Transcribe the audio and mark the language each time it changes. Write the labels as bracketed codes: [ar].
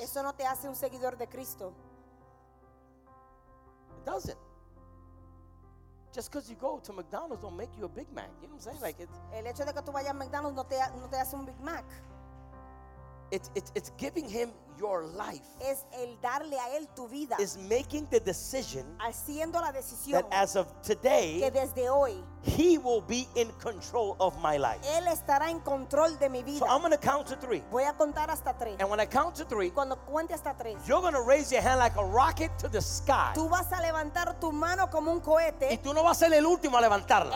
[es] Eso no te hace un seguidor de Cristo. [en] It doesn't. Just because you go to McDonald's don't make you a Big Mac. You know what I'm saying? Like it's. [es] El hecho de que tú vayas a McDonald's no te hace un Big Mac. [en] It's giving him your life. [es] Es el darle a él tu vida. [en] Is making the decision. [es] Haciendo la decisión. [en] That as of today. [es] Que desde hoy. [en] He will be in control of my life. [es] Él estará en control de mi vida. [en] So I'm going to count to three. [es] Voy a contar hasta tres. [en] And when I count to three. [es] Cuando cuente hasta tres. [en] You're going to raise your hand like a rocket to the sky. [es] Tú vas a levantar tu mano como un cohete. Y tú no vas a ser el último a levantarla.